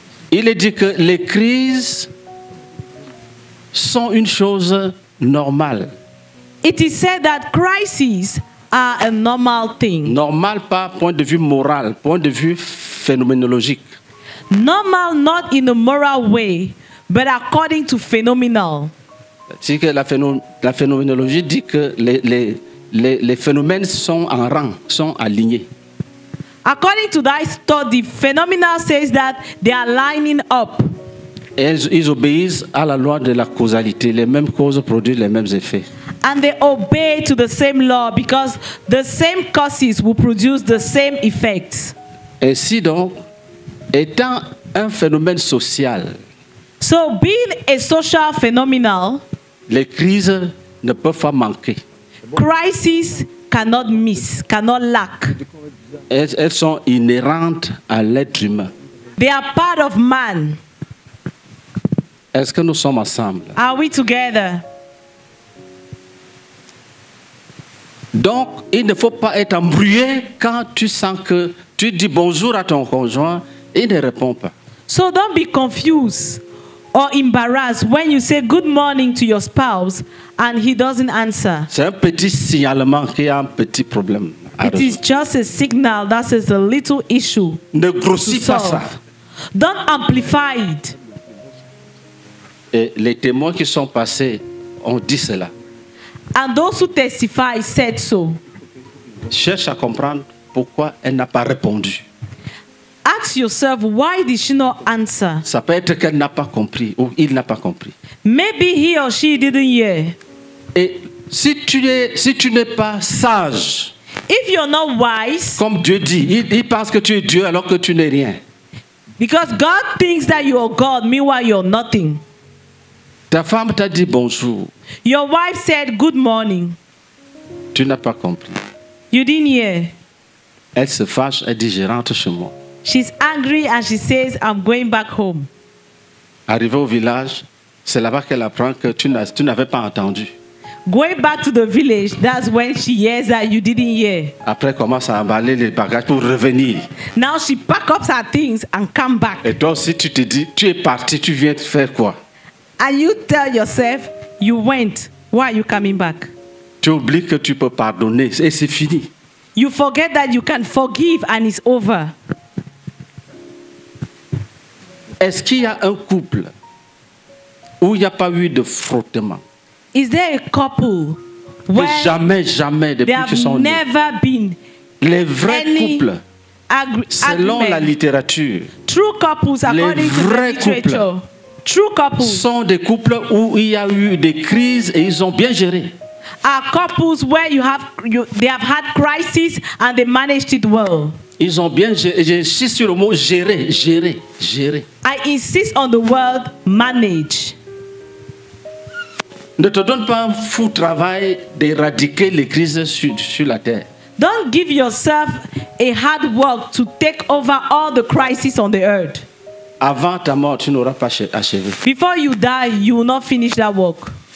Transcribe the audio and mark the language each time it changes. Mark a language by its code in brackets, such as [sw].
[fr] Il est dit que les crises sont une chose normale. [en] It is said that crises are a normal thing. [fr] Normal pas point de vue moral, point de vue phénoménologique. [en] Normal, not in a moral way, but according to phenomenal. [fr] C'est que la phénoménologie dit que les phénomènes sont en rang, sont alignés. [en] According to that study, phenomenal says that they are lining up. [fr] Ils obéissent à la loi de la causalité. Les mêmes causes produisent les mêmes effets. [en] And they obey to the same law because the same causes will produce the same effects. [fr] Ainsi donc. Étant un phénomène social, [en] so being a social phenomenon, [fr] les crises ne peuvent pas manquer. [en] Crises cannot miss, cannot lack. [fr] Elles sont inhérentes à l'être humain. [en] They are part of man. [fr] Est-ce que nous sommes ensemble? [en] Are we together? [fr] Donc, il ne faut pas être embrouillé quand tu sens que tu dis bonjour à ton conjoint. Il ne répond pas. [en] So don't be confused or embarrassed when you say good morning to your spouse and he doesn't answer. [fr] C'est un petit signalement qui a un petit problème. [en] It is just a signal that is a little issue. [fr] Ne grossis pas ça. [en] Don't amplify it. [fr] Et les témoins qui sont passés ont dit cela. [en] And those who testified said so. [fr] Cherche à comprendre pourquoi elle n'a pas répondu. [en] Ask yourself, why did she not answer? [fr] Ça peut être qu'elle n'a pas compris ou il n'a pas compris. [en] Maybe he or she didn't hear. [fr] Et si tu n'es pas sage, [en] if you're not wise, [fr] comme Dieu dit, il pense que tu es Dieu alors que tu n'es rien. [en] Because God thinks that you are God, meanwhile you're nothing. [fr] Ta femme t'a dit bonjour. [en] Your wife said good morning. [fr] Tu n'as pas compris. [en] You didn't hear. [fr] Elle se fâche, elle dit je rentre chez moi. [en] She's angry and she says, I'm going back home. [fr] Arrivé au village, c'est là-bas qu'elle apprend que tu n'avais pas entendu. [en] Going back to the village, that's when she hears that you didn't hear. [fr] Après, commence à emballer les bagages pour revenir. [en] Now she packs up her things and come back. [fr] Et toi aussi, tu te dis, tu es parti, tu viens de faire quoi? [en] And you tell yourself, you went. Why are you coming back? [fr] Tu oublies que tu peux pardonner et c'est fini. [en] You forget that you can forgive and it's over. [fr] Est-ce qu'il y a un couple où il n'y a pas eu de frottement? [en] Is there a couple where [fr] jamais, depuis [en] there [fr] que sont [en] never [fr] nés. [en] Been [fr] les vrais [en] any [fr] couples, selon la littérature, [en] true couples, [fr] les vrais couples, [en] true couples [fr] sont des couples où il y a eu des crises et ils ont bien géré. [en] Are couples where you have you, they have had crises and they managed it well. [fr] Ils ont bien géré. J'insiste sur le mot gérer. [en] I insist on the word manage. [fr] Ne te donne pas un fou travail d'éradiquer les crises sur la terre. [en] Don't give yourself a hard work to take over all the crises on the earth. [fr] Avant ta mort, tu n'auras pas achevé. [en] Before you die, you will not finish that work.